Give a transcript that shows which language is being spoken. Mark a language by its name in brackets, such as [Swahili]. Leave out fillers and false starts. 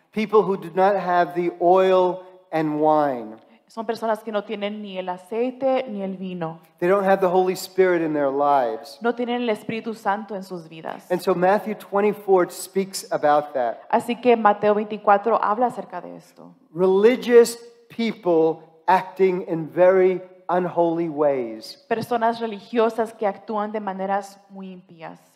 [English] People who do not have the oil and wine. [Spanish] Son personas que no tienen ni el aceite ni el vino. [English] They don't have the Holy Spirit in their lives. [Spanish] No tienen el Espíritu Santo en sus vidas. [English] And so Matthew 24 speaks about that. [Spanish] Así que Mateo 24 habla acerca de esto. [English] Religious people acting in very unholy ways. [Spanish] Personas religiosas que actúan de maneras muy impías.